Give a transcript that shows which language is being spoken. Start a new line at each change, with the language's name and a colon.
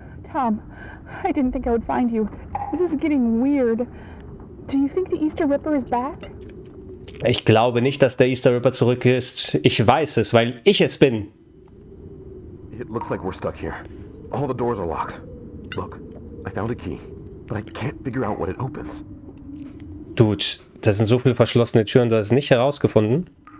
English: Tom, I didn't think I would find you. This is getting weird. Do you think the Easter Ripper is back?
German: Ich glaube nicht, dass der Easter Ripper zurück ist. Ich weiß es, weil ich es bin.
English: It looks like we're stuck here. All the doors are locked. Look, I found a key, but I can't figure out what it opens.
German: Dude, da sind so viele verschlossene Türen, du hast es nicht herausgefunden.